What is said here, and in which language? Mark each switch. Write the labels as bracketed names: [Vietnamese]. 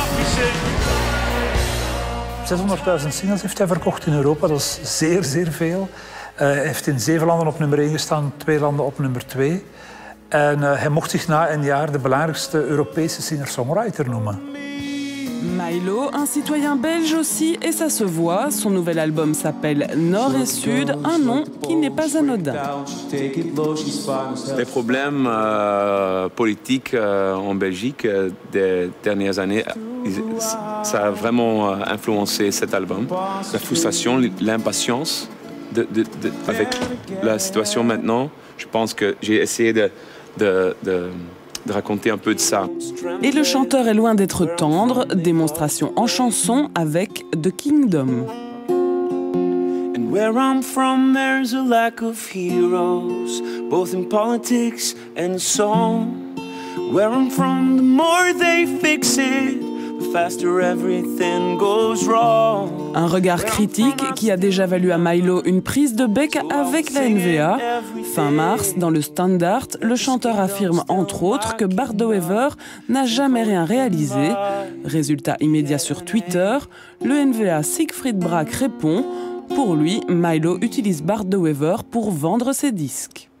[Dutch] ...600.000 singles heeft hij verkocht in Europa. Dat is zeer, zeer veel. Hij heeft in 7 landen op nummer 1 gestaan, 2 landen op nummer 2. En hij mocht zich na een jaar de belangrijkste Europese singer-songwriter noemen. [French] Milo, un citoyen belge aussi, et ça se voit. Son nouvel album s'appelle Nord et Sud, un nom qui n'est pas anodin. Les problèmes politiques en Belgique des dernières années, ça a vraiment influencé cet album. La frustration, l'impatience de, avec la situation maintenant, je pense que j'ai essayé de raconter un peu de ça. Et le chanteur est loin d'être tendre. Démonstration en chanson avec The Kingdom. [English] And where I'm from, there's a lack of heroes, both in politics and song. Where I'm from, the more they fix it, faster everything goes wrong. [French] Un regard critique qui a déjà valu à Milo une prise de bec avec la NVA. Fin mars, dans le Standard, le chanteur affirme entre autres que Bardo Ever n'a jamais rien réalisé. Résultat immédiat sur Twitter, le NVA Siegfried Brack répond : pour lui, Milo utilise Bardo Ever pour vendre ses disques.